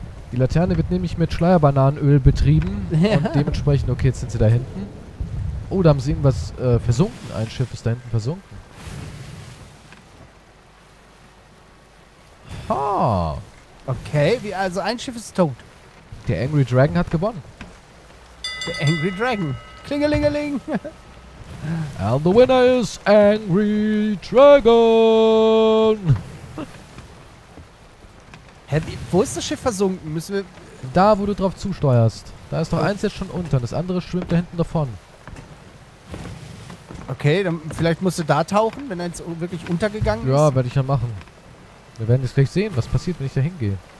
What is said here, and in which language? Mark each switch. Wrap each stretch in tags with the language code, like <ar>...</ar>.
<de>Die Laterne wird nämlich mit Schleierbananenöl betrieben. Ja. Und dementsprechend, okay, jetzt sind sie da hinten. Oh, da haben sie irgendwas versunken. Ein Schiff ist da hinten versunken. Ha! Okay, also ein Schiff ist tot. Der Angry Dragon hat gewonnen. Der Angry Dragon. Klingelingeling.</de> <en>And the winner is Angry Dragon!</en> <de>Hä, wo ist das Schiff versunken? Müssen wir... Da, wo du drauf zusteuerst. Da ist doch eins jetzt schon unter, das andere schwimmt da hinten davon. Okay, dann vielleicht musst du da tauchen, wenn eins wirklich untergegangen ist. Ja, werde ich ja machen. Wir werden jetzt gleich sehen, was passiert, wenn ich da hingehe.</de>